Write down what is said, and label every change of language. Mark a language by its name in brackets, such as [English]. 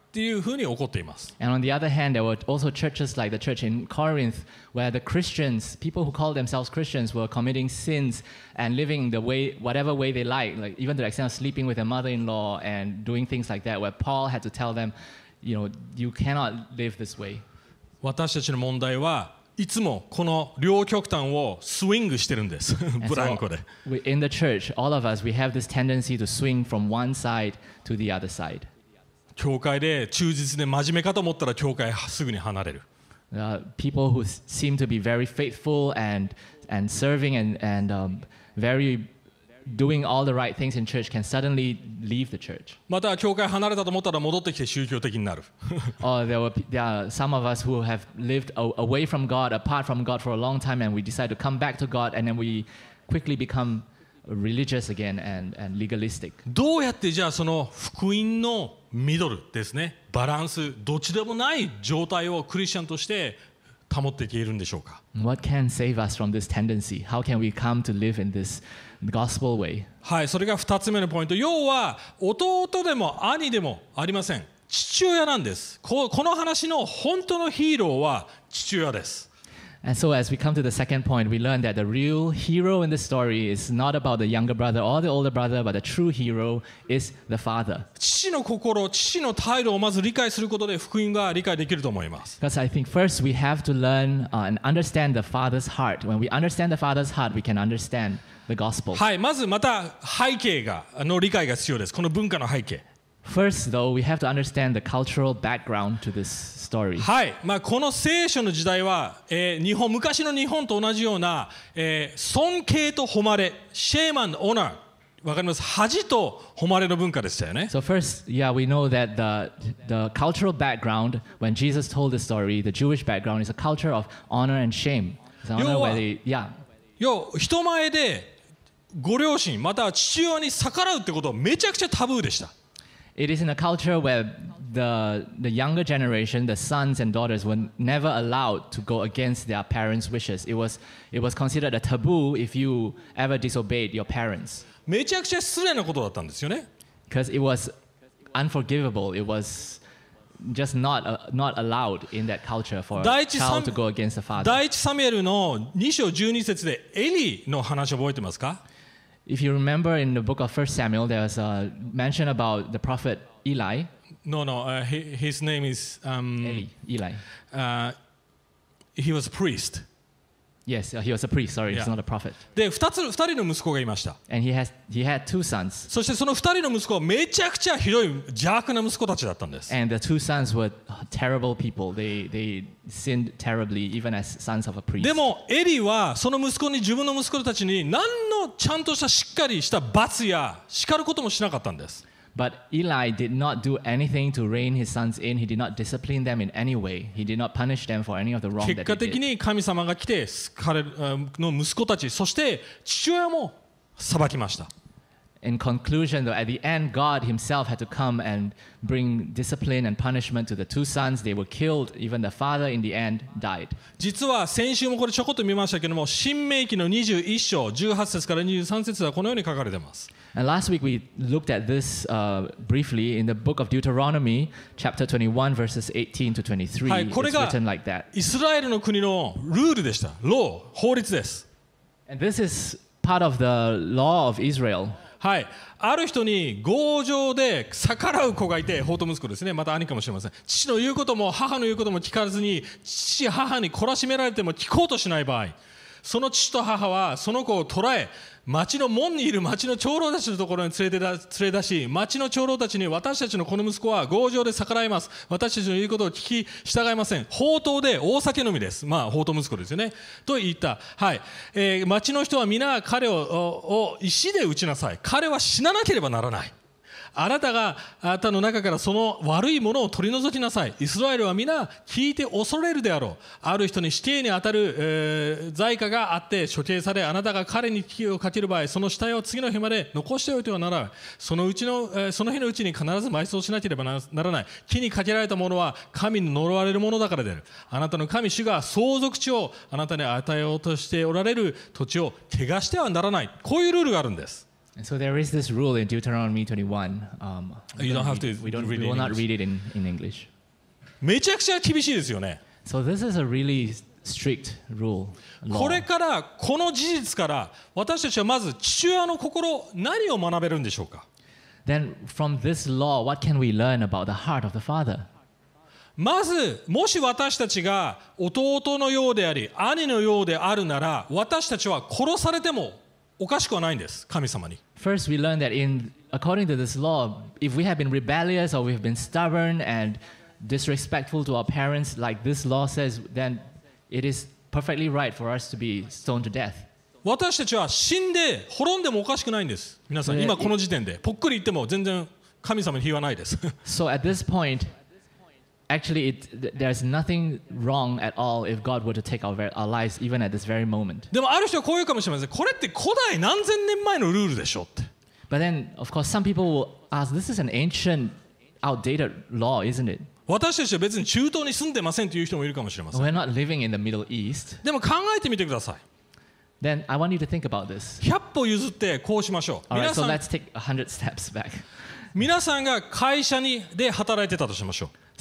[English] And on the other hand, there were also churches like the church in Corinth where the Christians, people who call themselves Christians, were committing sins and living the way, whatever way they like even to the extent of sleeping with their mother-in-law and doing things like that, where Paul had to tell them, you know, you cannot live this way. [Japanese] 私たちの問題はいつもこの両極端をスイングしてるんです、ブランコで。 [English] In the church, all of us, we have this tendency to swing from one side to the other side. [Japanese] 教会で忠実で真面目かと思ったら教会すぐに離れる。 [English] People who seem to be very faithful and serving and very doing all the right things in church can suddenly leave the church. [Japanese] また教会離れたと思ったら戻ってきて宗教的になる。 [English] there are some of us who have lived away from God, apart from God for a long time, and we decide to come back to God, and then we quickly become religious again and legalistic. [Japanese] どうやってじゃあその福音のミドルですね。バランス、どっちでもない状態をクリスチャンとして保っていけるんでしょうか。 [English] What can save us from this tendency? How can we come to live in this gospel way? [Japanese] はい、それが2つ目のポイント。要は、弟でも兄でもありません。父親なんです。この話の本当のヒーローは父親です。 [English] And so as we come to the second point, we learn that the real hero in the story is not about the younger brother or the older brother, but the true hero is the father. [Japanese] 父の心、父の態度をまず理解することで福音が理解できると思います。 [English] Because I think first we have to learn and understand the father's heart. When we understand the father's heart, we can understand the gospel. [Japanese] はい、まずまた背景が、の理解が必要です。この文化の背景。 [English] First, though, we have to understand the cultural background to this story. [Japanese] はい、まあこの聖書の時代は、日本昔の日本と同じような、尊敬と誉れ、 [English] shame and honor、 [Japanese] わかります？恥と誉れの文化でしたよね。 [English] So first, yeah, we know that the cultural background when Jesus told the story, the Jewish background is a culture of honor and shame. So honor where they, yeah. [Japanese] 要は人前でご両親または父親に逆らうってことはめちゃくちゃタブーでした。 [English] It is in a culture where the younger generation, the sons and daughters, were never allowed to go against their parents' wishes. It was considered a taboo if you ever disobeyed your parents. [Japanese] めちゃくちゃ失礼なことだったんですよね。 [English] Because it was unforgivable. It was just not, not allowed in that culture for a child to go against the father. [Japanese] 第一サミエルの2章12節でエリの話覚えてますか? [English] If you remember in the book of 1 Samuel, there was a mention about the prophet Eli. His name is... Eli. He was a priest. Yes, he was a priest. Sorry, he's not a prophet. [Japanese] で、2人の息子がいました。 [English] And he had two sons. [Japanese] そしてその2人の息子はめちゃくちゃひどい邪悪な息子たちだったんです。 [English] And the two sons were terrible people. They sinned terribly, even as sons of a priest. [Japanese] でもエリはその息子に自分の息子たちに何のちゃんとしたしっかりした罰や叱ることもしなかったんです。 [English] But Eli did not do anything to rein his sons in. He did not discipline them in any way. He did not punish them for any of the wrong that they did. [Japanese] 結果的に神様が来て彼の息子たち、そして父親も裁きました。 [English] In conclusion, though, at the end, God himself had to come and bring discipline and punishment to the two sons. They were killed. Even the father, in the end, died. [Japanese] 実は先週もこれちょこっと見ましたけども、新命記の21章18節から23節はこのように書かれています。 [English] And last week we looked at this briefly in the book of Deuteronomy, chapter 21, verses 18 to 23. [Japanese] はい、これが [English] It's written like that. [Japanese] イスラエルの国のルールでした。 Law、法律です。 [English] And this is part of the law of Israel. [Japanese] はい、ある人に強情で逆らう子がいて、法と息子ですね。また兄かもしれません。父の言うことも母の言うことも聞かずに、父母に懲らしめられても聞こうとしない場合、その父と母はその子を捕らえ、町の門にいる町の長老たちのところに連れ出し、町の長老たちに私たちのこの息子は強情で逆らいます。私たちの言うことを聞き従いません。放蕩で大酒飲みです。まあ放蕩息子ですよね。と言った。はい。町の人は皆彼を石で打ちなさい。彼は死ななければならない。あなたがあなたの中からその悪いものを取り除きなさい。イスラエルは皆聞いて恐れるであろう。ある人に死刑に当たる、罪過があって処刑され、あなたが彼に危機をかける場合、その死体を次の日まで残しておいてはならない。その日のうちに必ず埋葬しなければならない。木にかけられたものは神に呪われるものだからである。あなたの神主が相続地をあなたに与えようとしておられる土地を汚してはならない。こういうルールがあるんです。 [English] And so there is this rule in Deuteronomy 21. We will not read it in English. [Japanese] めちゃくちゃ厳しいですよね。 [English] So this is a really strict rule. [Japanese] これからこの事実から私たちはまず父親の心何を学べるんでしょうか。 [English] Then from this law, what can we learn about the heart of the father? [Japanese] まずもし私たちが弟のようであり兄のようであるなら、私たちは殺されてもおかしくはないんです、神様に。 [English] First, we learn that according to this law, if we have been rebellious or we have been stubborn and disrespectful to our parents, like this law says, then it is perfectly right for us to be stoned to death. [Japanese] 私たちは死んで滅んでもおかしくないんです、皆さん。今この時点でぽっくり言っても全然神様に非はないです。 [English] So at this point, actually, there is nothing wrong at all if God were to take our lives even at this very moment. [Japanese] でもある人はこう言うかもしれません。これって古代何千年前のルールでしょって。 [English] But then, of course, some people will ask, this is an ancient, outdated law, isn't it? [Japanese] 私たちは別に中東に住んでませんという人もいるかもしれません。 [English] We're not living in the Middle East. [Japanese] でも考えてみてください。 [English] Then I want you to think about this. [Japanese] 100歩譲ってこうしましょう。 [English] All right, so let's take 100 steps back. [Japanese] 皆さんが会社にで働いてたとしましょう。